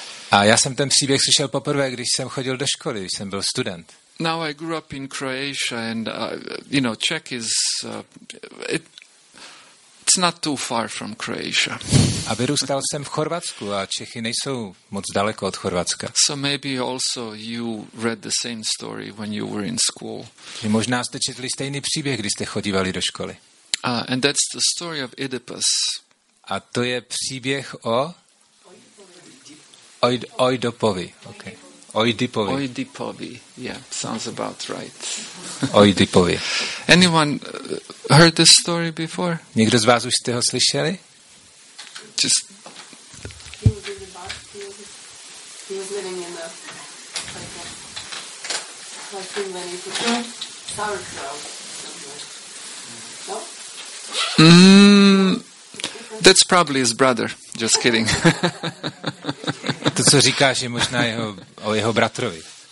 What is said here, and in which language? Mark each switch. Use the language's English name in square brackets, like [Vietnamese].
[Czech] A já jsem ten příběh slyšel poprvé, když jsem chodil do školy, když jsem byl student. [English] Now I grew up in Croatia and Czech is it's not too far from Croatia. [Czech] A vyrůstal jsem v Chorvatsku a Čechy nejsou moc daleko od Chorvatska. [English] So maybe also you read the same story when you were in school. [Czech] Že možná jste četli stejný příběh, když jste chodívali do školy. [English] And that's the story of Oedipus. [Czech] A to je příběh o Oidipovi. [English] Okay. Oidipovi. [Czech] Oidipovi. [English] Yeah, sounds about right. [Czech] Oidipovi. [English] Anyone heard this story before? [Czech] Někdo z vás už jste ho slyšeli? [English] Just that's probably his brother. Just kidding. [Czech] To, co říkáš, je možná o jeho bratrovi.